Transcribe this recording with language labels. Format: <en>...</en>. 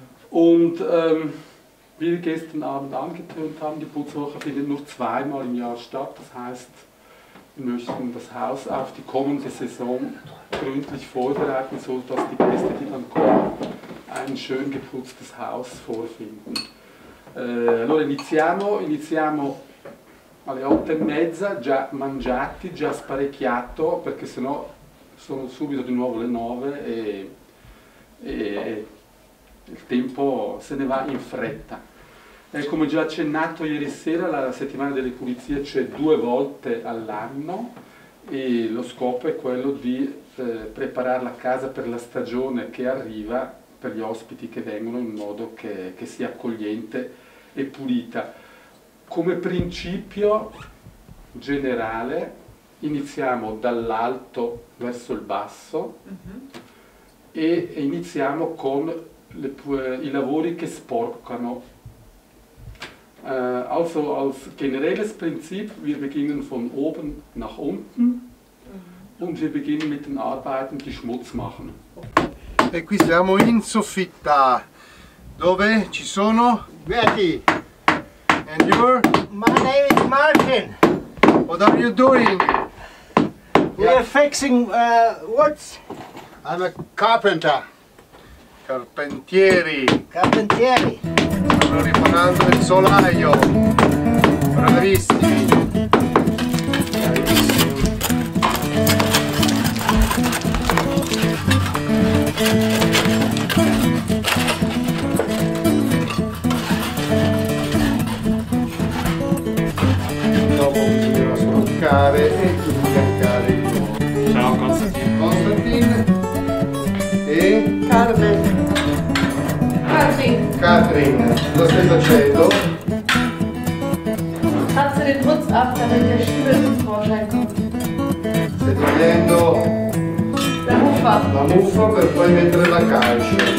<de>Und wie wir gestern Abend angetönt haben, die Putzwoche findet nur zweimal im Jahr statt. Das heißt, wir möchten das Haus auf die kommende Saison gründlich vorbereiten, sodass die Gäste, die dann kommen, ein schön geputztes Haus vorfinden.</de> <it>Allora iniziamo alle 8:30, già mangiati, già sparecchiato, perché sennò sono subito di nuovo le 9 e il tempo se ne va in fretta. E come già accennato ieri sera, la settimana delle pulizie c'è due volte all'anno e lo scopo è quello di preparare la casa per la stagione che arriva, per gli ospiti che vengono, in modo che sia accogliente e pulita. Come principio generale iniziamo dall'alto verso il basso e iniziamo con i lavori che sporcano.</it> <de>Also als generelles Prinzip, wir beginnen von oben nach unten und wir beginnen mit den Arbeiten, die Schmutz machen.</de> <it>E qui siamo in soffitta, dove ci sono Betty.</it> <en>And you're? My name is Martin. What are you doing? We are fixing what? I'm a carpenter. Carpentieri.</en> <it>Stanno riparando il solaio. Bravissimi. Bravissimi. bloccare e tu bloccare il mondo. Ciao Constantin. Constantin e Carmen. Katrin, lo stai facendo?</it> <de>Tazze den Putz ab, damit der Schübel zum Vorschein kommt.</de> <it>Stai togliendo la muffa. La muffa per poi mettere la calce.</it>